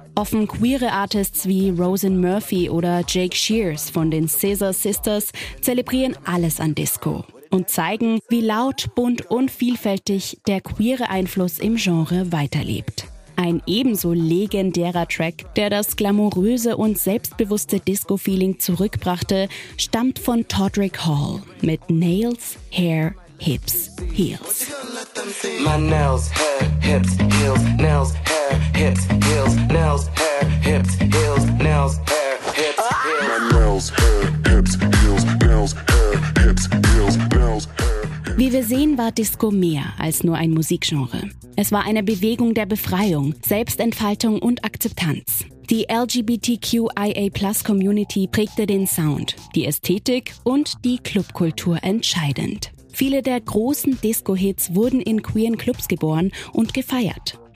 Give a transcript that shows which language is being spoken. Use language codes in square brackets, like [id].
[de] Offen queere Artists wie Rosen Murphy oder Jake Shears von den Scissor Sisters zelebrieren alles an Disco und zeigen, wie laut, bunt und vielfältig der queere Einfluss im Genre weiterlebt. Ein ebenso legendärer Track, der das glamouröse und selbstbewusste Disco-Feeling zurückbrachte, stammt von Todrick Hall mit Nails, Hair, Hips, Heels. [en] My nails, hair, hips, heels, nails, hair, hips, heels, nails, hair, hips, heels, nails, hair, hips, heels. My nails, hair, hips, heels, nails, hair, hips, heels, nails, hair. [de] Wie wir sehen, war Disco mehr als nur ein Musikgenre. Es war eine Bewegung der Befreiung, Selbstentfaltung und Akzeptanz. Die LGBTQIA+-Community prägte den Sound, die Ästhetik und die Clubkultur entscheidend. Viele der großen Disco-Hits wurden in queeren Clubs geboren und gefeiert.